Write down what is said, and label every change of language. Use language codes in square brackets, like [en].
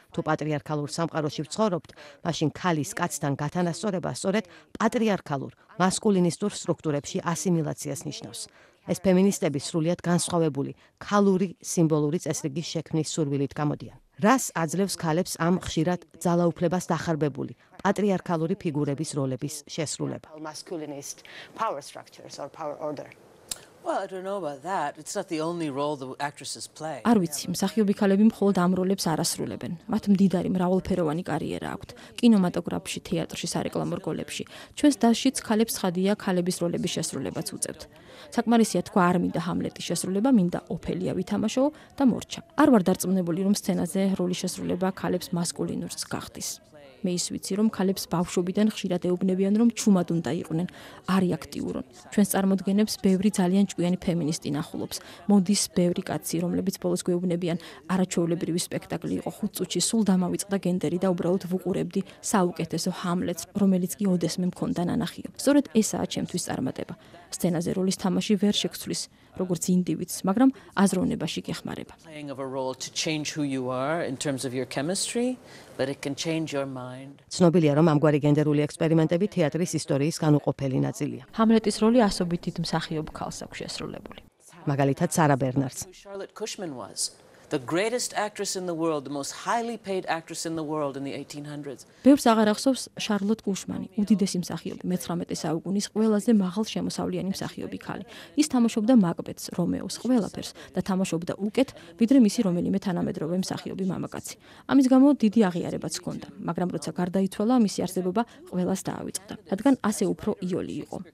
[ka] თუ პატრიარქალურ სამყაროში ვცხოვრობთ, მაშინ ქალის კაცთან გათანასწორება სწორედ პატრიარქალურ, მასკულინისტურ სტრუქტურებში ასიმილაციას ნიშნავს. ეს ფემინისტების სრულიად განსხვავებული, ქალური სიმბოლური წესრიგის შექმნის სურვილით გამოდიან. რას აძლევს ქალებს ამ ხშირად ძალაუფლებას დახარბებული პატრიარქალური ფიგურების როლების შესრულება? [en] Masculinist power structures or power order. Well, I don't know about that. It's not the only role the actresses play. [ka] არ ვიცი, მსახიობი ქალები მხოლოდ ამ როლებს არ ასრულებენ. მათ მდიდარი მრავალფეროვანი კარიერა აქვთ: კინემატოგრაფში, თეატრში, სარეკლამო როლებში. ჩვენს დასშიც ქალებს ხადია ქალების როლების შესრულებაც უწევთ. საკმარისია თქვა, არ მინდა ჰამლეტის შესრულება, მინდა ოფელია ვითამაშო და მორჩა. არ ვარ დარწმუნებული, რომ სცენაზე როლის შესრულება ქალებს მასკულინურს გახდის. მე ის ვიცი, რომ ქალებს ბავშვობიდან ხშირად ეუბნებიან, რომ ჩუმად უნდა იყვნენ, არეაქტიურონ. ჩვენს წარმოდგენებს ბევრი ძალიან ჭკვიანი ფემინისტი ნახულობს. მოდის ბევრი კაცი, რომლებიც ბოლოს გვეუბნებიან, არაჩვეულებრივი სპექტაკლი იყო, ხუთ წუთში სულ დამავიწყდა გენდერი და უბრალოდ ვუყურებდი საუკეთესო ჰამლეტს, რომელიც კი ოდესმე მქონდა ნანახიო. სწორედ ესაა ჩემთვის წარმატება. სცენაზე როლის თამაში ვერ შექცვლის, როგორც ინდივიდს, მაგრამ აზროვნებაში გეხმარება. [en] Playing of a role to change who you are in terms of your chemistry, but it can change your mind. [ka] ცნობილია, რომ ამგვარი გენდერული ექსპერიმენტები თეატრის ისტორიის განუყოფელი ნაწილია. ჰამლეტის როლი ასობით დიდ მსახიობ ქალს აქვს შესრულებული. მაგალითად, სარა ბერნარდს. [en] Charlotte Cushman was the greatest actress in the world, the most highly paid actress in the world in the 1800s. [ka] ბევრს აღარ ახსოვს შარლოტ კუშმანი, უდიდესი მსახიობი 19 საუკუნის ყველაზე მაღალშემოსავლიანი მსახიობი ქალი. ის თამაშობდა მაკბეთს, რომეოს, ყველაფერს და თამაშობდა უკეთ, ვიდრე მისი რომელიმე თანამედროვე მსახიობი მამაკაცი. ამის გამო დიდი აღიარებაც ჰქონდა, მაგრამ როცა გარდაიცვალა, მისი არსებობა ყველას დაავიწყდა, რადგან ასე უფრო იოლი იყო.